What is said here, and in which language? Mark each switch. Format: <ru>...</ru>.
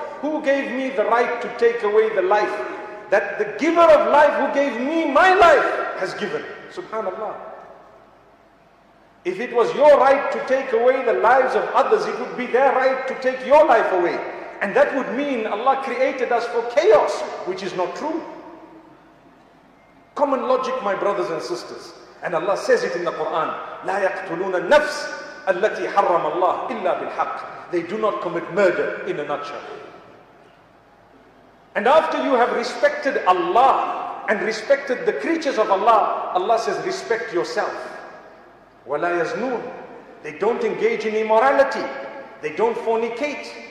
<en>Who gave me the right to take away the life that the giver of life who gave me my life has given? Subhanallah. If it was your right to take away the lives of others, it would be their right to take your life away. And that would mean Allah created us for chaos, which is not true. Common logic, my brothers and sisters. And Allah says it in the Quran,</en> <ar>لا يقتلون النفس التي حرم الله إلا بالحق.</ar> <en>They do not commit murder, in a nutshell. And after you have respected Allah and respected the creatures of Allah, Allah says, respect yourself.</en> <ar>وَلَا يَزْنُونَ.</ar> <en>They don't engage in immorality. They don't fornicate.</en>